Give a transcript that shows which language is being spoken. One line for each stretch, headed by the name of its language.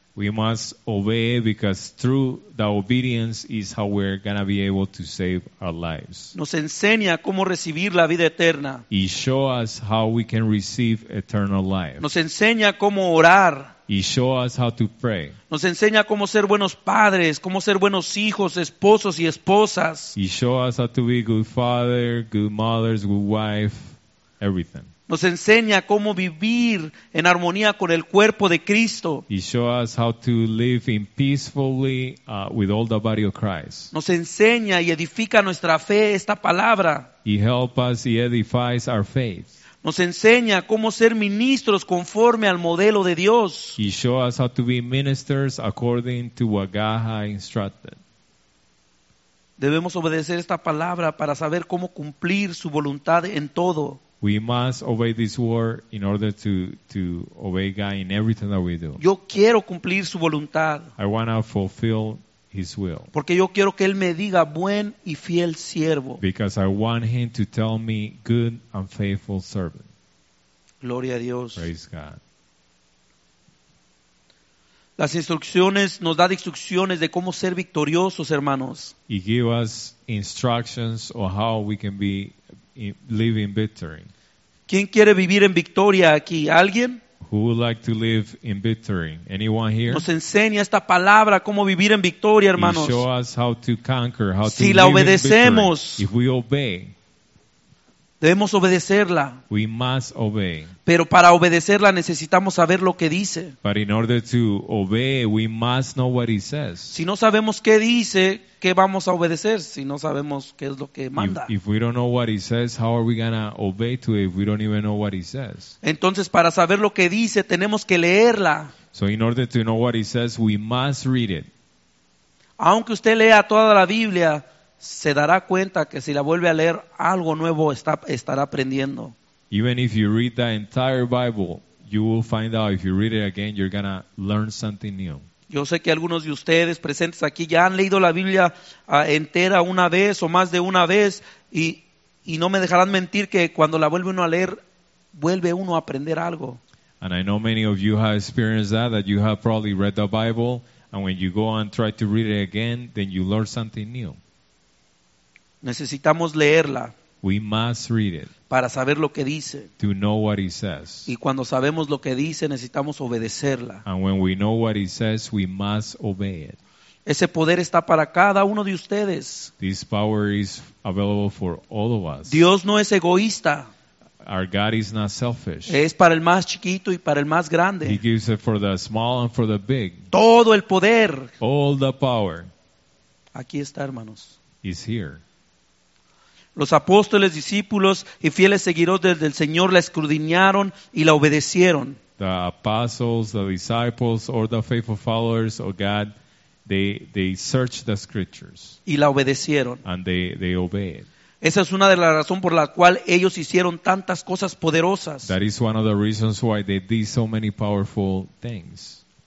English: We must obey because through the obedience is how we're going to be able to save our lives.
Spanish: Nos enseña cómo recibir la vida eterna.
English: He show us how we can receive eternal life.
Spanish: Nos enseña cómo orar.
English: He show us how to pray.
Spanish: Nos enseña cómo ser buenos padres, cómo ser buenos hijos, esposos y esposas.
English: He show us how to be good father, good mothers, good wife, everything.
Spanish: Nos enseña cómo vivir en armonía con el cuerpo de Cristo.
English: He show us how to live in peacefully with all the body of Christ.
Spanish: Nos enseña y edifica nuestra fe esta palabra.
English: He help us, he edifies our faith.
Spanish: Nos enseña cómo ser ministros conforme al modelo de Dios.
English: He show us how to be ministers according to what God has instructed.
Spanish: Debemos obedecer esta palabra para saber cómo cumplir su voluntad en todo.
English: We must obey this word in order to obey God in everything that we do.
Spanish: Yo quiero cumplir su voluntad.
English: I want to fulfill His will.
Spanish: Porque yo quiero que Él me diga buen y fiel siervo.
English: Because I want Him to tell me good and faithful servant.
Spanish: Gloria a Dios.
English: Praise God.
Spanish: Las instrucciones, nos da instrucciones de cómo ser victoriosos, hermanos.
English: He gives us instructions on how we can be live in victory.
Spanish: ¿Quién quiere vivir en victoria aquí? ¿Alguien?
English: Who would like to live in victory? Anyone here?
Spanish: Nos enseña esta palabra cómo vivir en victoria, hermanos.
English: He show us how to conquer, how
Spanish: si
English: to
Spanish: la obedecemos.
English: Live in victory. If we obey,
Spanish: debemos obedecerla.
English: We must obey.
Spanish: Pero para obedecerla necesitamos saber lo que dice.
English: But in order to obey, we must know what he says.
Spanish: Si no sabemos qué dice, ¿qué vamos a obedecer? Si no sabemos qué es lo que manda.
English: If we don't know what he says, how are we going to obey to it if we don't even know what he says?
Spanish: Entonces, para saber lo que dice, tenemos que leerla.
English: So in order to know what he says, we must read it.
Spanish: Aunque usted lea toda la Biblia, se dará cuenta que si la vuelve a leer, algo nuevo estará aprendiendo.
English: Even if you read the entire Bible, you will find out if you read it again, you're going to learn something new.
Spanish: Yo sé que algunos de ustedes presentes aquí ya han leído la Biblia entera una vez o más de una vez y no me dejarán mentir que cuando la vuelve uno a leer, vuelve uno a aprender algo.
English: And I know many of you have experienced that you have probably read the Bible And when you go and try to read it again, then you learn something new.
Spanish: Necesitamos leerla.
English: We must read it.
Spanish: Para saber lo que dice.
English: To know what he says.
Spanish: Y cuando sabemos lo que dice, necesitamos obedecerla.
English: And when we know what he says, we must obey it.
Spanish: Ese poder está para cada uno de ustedes.
English: This power is available for all of us.
Spanish: Dios no es egoísta.
English: Our God is not selfish.
Spanish: Es para el más chiquito y para el más grande.
English: He gives it for the small and for the big.
Spanish: Todo el poder.
English: All the power.
Spanish: Aquí está, hermanos.
English: Is here.
Spanish: Los apóstoles, discípulos y fieles seguidores del Señor la escudriñaron y la obedecieron.
English: The apostles, the disciples, or the faithful followers of God, they searched the scriptures.
Spanish: Y la obedecieron.
English: And they obeyed.
Spanish: Esa es una de las razones por la cual ellos hicieron tantas cosas poderosas.
English: That is one of the reasons why they did so many powerful things.